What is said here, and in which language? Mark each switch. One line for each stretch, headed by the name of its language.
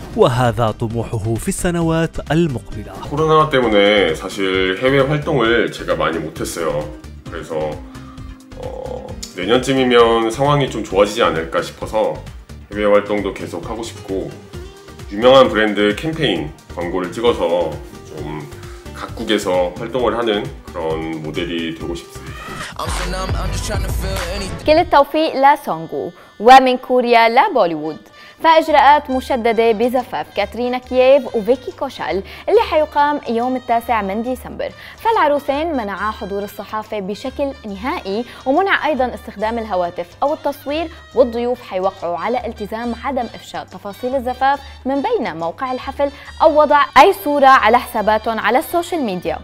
Arabic: وهذا طموحه في السنوات المقبلة.
Korean: 코로나 때문에 사실 해외 활동을 제가 많이 못했어요. 그래서 내년쯤이면 상황이 좀 좋아지지 않을까 싶어서 해외 활동도 계속 하고 싶고 유명한 브랜드 캠페인 광고를 찍어서 좀 각국에서 활동을 하는 그런 모델이 되고 싶습니다.
Arabic: 그 التوفيق لسونغو ومن كوريا لبوليوود. فإجراءات مشددة بزفاف كاترينا كييف وفيكي كوشال اللي حيقام يوم 9 ديسمبر. فالعروسين منعا حضور الصحافة بشكل نهائي ومنع أيضا استخدام الهواتف أو التصوير، والضيوف حيوقعوا على التزام عدم إفشاء تفاصيل الزفاف من بين موقع الحفل أو وضع أي صورة على حساباتهم على السوشيال ميديا.